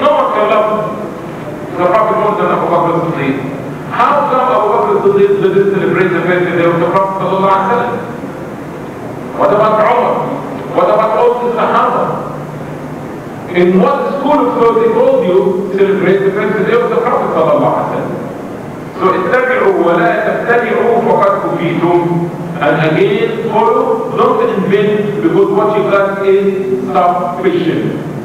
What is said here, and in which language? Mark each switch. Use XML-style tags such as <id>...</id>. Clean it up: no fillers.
<en>No one can love the Prophet more than Abu Bakr as-Siddiq. How come Abu Bakr as-Siddiq didn't celebrate the birthday of the Prophet sallallahu alaihi wasallam? What about Umar? What about all the Sahaba? In what school of thought they told you to celebrate the birthday of the Prophet sallallahu alaihi wasallam?</en> <ar>So اتبعوا ولا تتبعوا فقد كفيتم.</ar> <en>And again, follow, don't invent, because what you got is sufficient.</en>